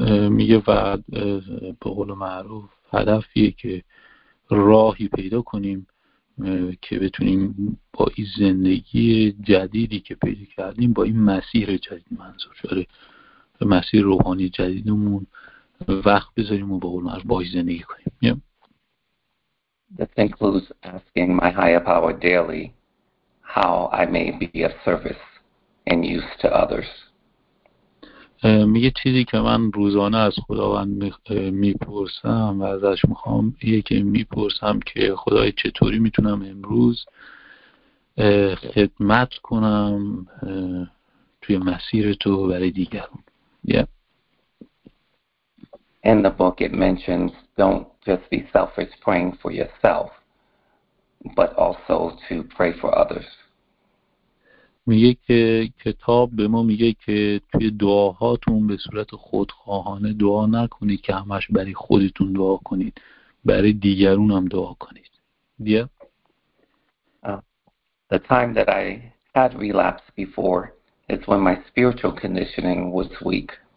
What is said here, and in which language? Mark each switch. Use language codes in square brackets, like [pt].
[fa] میگه و به قول معروف هدفیه که راهی پیدا کنیم که بتونیم با این زندگی جدیدی که پیدا کردیم با این مسیر جدید منظور شده مسیر روحانی جدیدمون وقت بذاریم و با قول معروف با این زندگی کنیم. [en] This includes asking my higher power daily how I may be of service and use to others. [fa] میگه چیزی که من روزانه از خداوند میپرسم و ازش میخوام یه که میپرسم که خدای چطوری میتونم امروز خدمت کنم توی مسیر تو برای دیگران. [en] In the book it mentions don't just be selfish praying for yourself but also to pray for others. [fa] میگه که کتاب به ما میگه که توی دعاهاتون به صورت خودخواهانه دعا نکنید که همش برای خودتون دعا کنید برای دیگرون هم دعا کنید. [en] The time that I had relapsed before is when my spiritual conditioning was weak.